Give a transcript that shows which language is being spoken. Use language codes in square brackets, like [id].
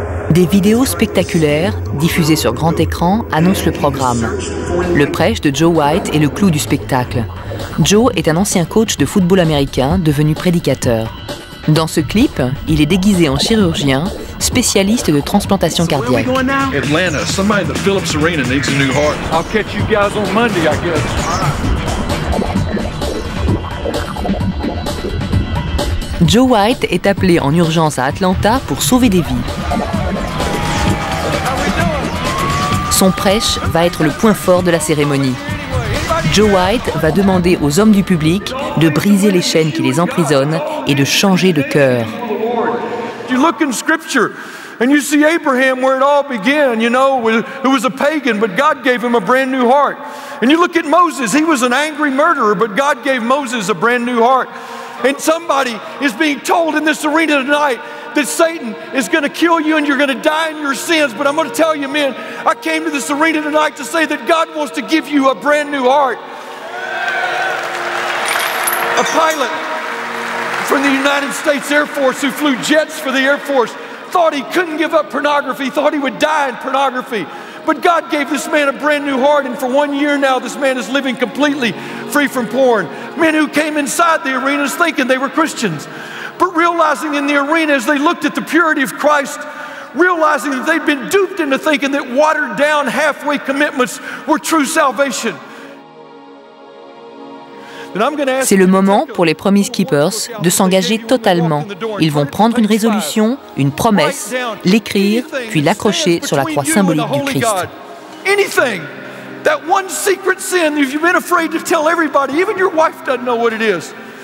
[fr] Des vidéos spectaculaires, diffusées sur grand écran, annoncent le programme. Le prêche de Joe White est le clou du spectacle. Joe est un ancien coach de football américain devenu prédicateur. Dans ce clip, il est déguisé en chirurgien, spécialiste de transplantation cardiaque. [en] Atlanta, somebody in the Phillips Arena needs a new heart. I'll catch you guys on Monday, I guess. [fr] Joe White est appelé en urgence à Atlanta pour sauver des vies. Son prêche va être le point fort de la cérémonie. Joe White va demander aux hommes du public de briser les chaînes qui les emprisonnent et de changer de cœur. [en] You look in scripture and you see Abraham where it all began, you know, who was a pagan, but God gave him a brand new heart. And you look at Moses, he was an angry murderer, but God gave Moses a brand new heart. And somebody is being told in this arena tonight that Satan is going to kill you and you're going to die in your sins. But I'm going to tell you, men, I came to this arena tonight to say that God wants to give you a brand new heart. A pilot from the United States Air Force who flew jets for the Air Force thought he couldn't give up pornography, thought he would die in pornography. But God gave this man a brand new heart, and for 1 year now, this man is living completely free from porn. Men who came inside the arenas thinking they were Christians, but realizing in the arena as they looked at the purity of Christ, realizing that they'd been duped into thinking that watered down halfway commitments were true salvation. [fr] C'est le moment pour les Promise Keepers de s'engager totalement. Ils vont prendre une résolution, une promesse, l'écrire, puis l'accrocher sur la croix symbolique du Christ. [en] Anything, that one secret sin if you've been afraid to tell everybody, even your wife doesn't know what it is.